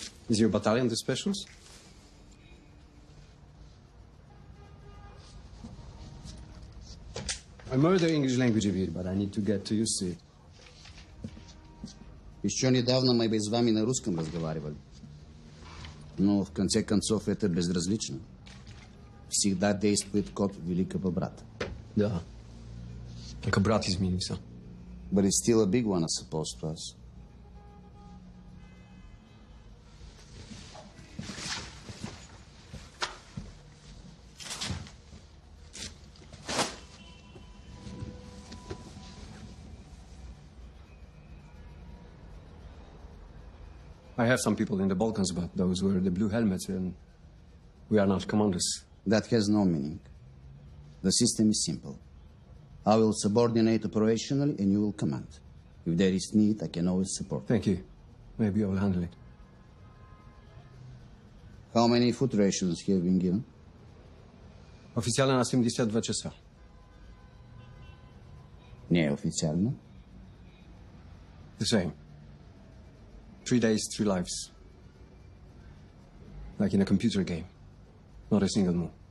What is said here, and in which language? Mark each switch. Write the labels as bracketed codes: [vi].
[en] Is your battalion the specials? I know the English language of it, but I need to get to use it. [ru] Еще недавно мы бы с вами на русском разговаривали. Но, в конце концов, это безразлично. Всегда действует код великого брата. Да. Как брат изменился. [en] But it's still a big one, I suppose, to us. I have some people in the Balkans, but those were the blue helmets, and we are not commanders. That has no meaning. The system is simple. I will subordinate operationally, and you will command. If there is need, I can always support. Thank you. Maybe I will handle it. How many food rations have been given? [ru] Oficialno na 72 часа. Неофициально? [en] The same. 3 days, 3 lives. Like in a computer game. Not a single move.